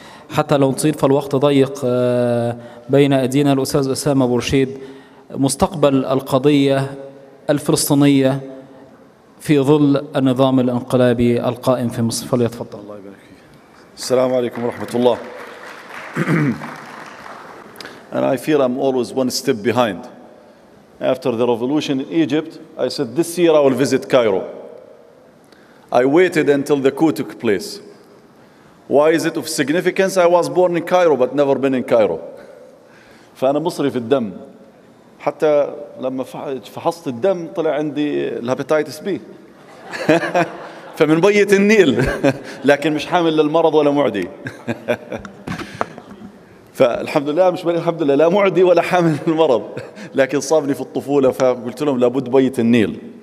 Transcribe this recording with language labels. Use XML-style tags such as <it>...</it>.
<ar>حتى لو نطيل فالوقت ضيق بين أيدينا الأستاذ أسامة بورشيد، مستقبل القضية الفلسطينية في ظل النظام الإنقلابي القائم في مصر، فليتفضل. الله يبارك فيك. السلام عليكم ورحمة الله.</ar> <en>And I fear I'm always one step behind. after the revolution in Egypt, I said, this year I will visit Cairo. I waited until the coup took place. Why is it of significance? I was born in Cairo, but never been in Cairo.</en> <ar>فأنا مصري في الدم. حتى لما فحصت الدم طلع عندي الهباتيتس بي. فمن بية النيل. لكن مش حامل للمرض ولا معدي. فالحمد لله مش بني الحمد لله لا معدي ولا حامل للمرض. لكن صابني في الطفولة فقلت لهم لابد بية النيل.</ar>